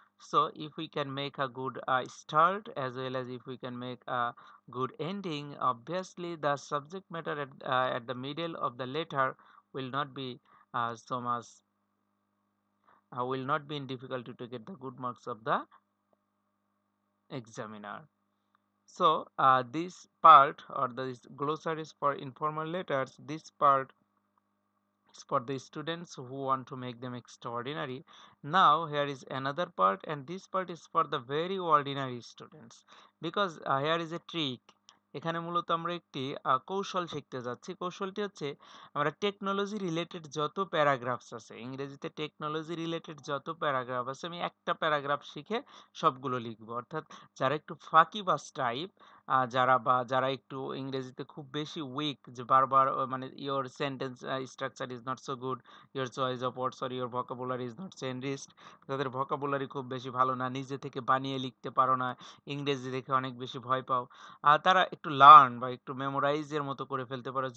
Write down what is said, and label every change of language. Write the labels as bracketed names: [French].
[English] So if we can make a good start as well as if we can make a good ending, obviously the subject matter at the middle of the letter will not be so much will not be in difficulty to get the good marks of the examiner. So, this part or this glossary is for informal letters. This part is for the students who want to make them extraordinary. Now, here is another part, and this part is for the very ordinary students. Because here is a trick. [Bangla] এখানে মূলত আমরা একটি কৌশল শিখতে যাচ্ছি। কৌশলটি হচ্ছে আমরা টেকনোলজি রিলেটেড যত প্যারাগ্রাফস আছে, ইংরেজিতে টেকনোলজি রিলেটেড যত প্যারাগ্রাফ আছে, আমি একটা প্যারাগ্রাফ শিখে সবগুলো লিখবো। অর্থাৎ যারা একটু ফাঁকি বাস টাইপ, যারা বা যারা একটু ইংরেজিতে খুব বেশি উইক, যে বারবার মানে [English] your sentence structure is not so good, your choice of words or your vocabulary is not so enriched, [Bangla] তাদের ভোকাবুলারি খুব বেশি ভালো না, নিজে থেকে বানিয়ে লিখতে পারো না, ইংরেজি দেখে অনেক বেশি ভয় পাও, তারা একটু লার্ন বা একটু মেমোরাইজের মতো করে ফেলতে পারো।